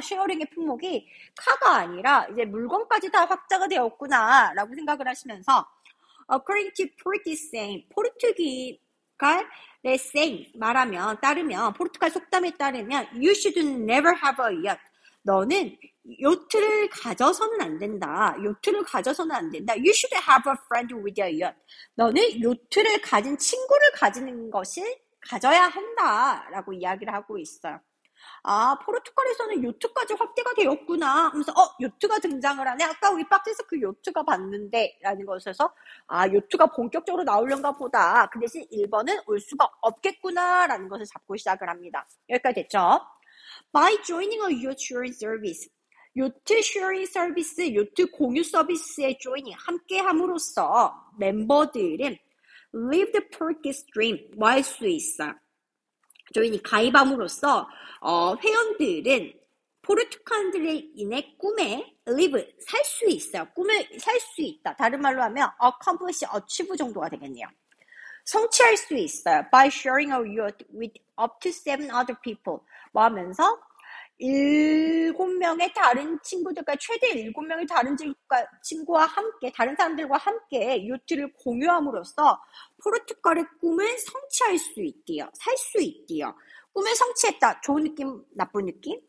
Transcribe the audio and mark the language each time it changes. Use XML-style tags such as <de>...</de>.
<ko>쉐어링의 품목이 카가 아니라 이제 물건까지 다 확장이 되었구나라고 생각을 하시면서</ko> <en>According to Portisen,</en> <ko>포르투기갈의 생 말하면 따르면 포르투갈 속담에 따르면</ko> <en>You should never have a yacht.</en> <ko>너는 요트를 가져서는 안 된다. 요트를 가져서는 안 된다.</ko> <en>You should have a friend with a yacht.</en> <ko>너는 요트를 가진 친구를 가지는 것이 가져야 한다라고 이야기를 하고 있어요. 아, 포르투갈에서는 요트까지 확대가 되었구나 하면서, 요트가 등장을 하네? 아까 우리 박스에서 그 요트가 봤는데, 라는 것에서, 아, 요트가 본격적으로 나오려나 보다. 그 대신 1번은 올 수가 없겠구나, 라는 것을 잡고 시작을 합니다. 여기까지 됐죠?</ko> <en>By joining a yacht sharing service.</en> <ko>요트 sharing service, 요트 공유 서비스에 조이닝, 함께 함으로써 멤버들은</ko> <en>live the Portuguese dream,</en> <ko>뭐할수 있어. 조인이 가입함으로써 회원들은 포르투칸들의 이내 꿈에 live 살수 있어요. 꿈을 살수 있다. 다른 말로 하면 accomplish, achieve 정도가 되겠네요. 성취할 수 있어요.</ko> <en>By sharing a yacht with up to seven other people.</en> <ko>뭐 하면서 최대 7명의 다른 친구와 함께, 다른 사람들과 함께 요트를 공유함으로써 포르투갈의 꿈을 성취할 수 있대요. 살수 있대요. 꿈을 성취했다. 좋은 느낌, 나쁜 느낌?</ko>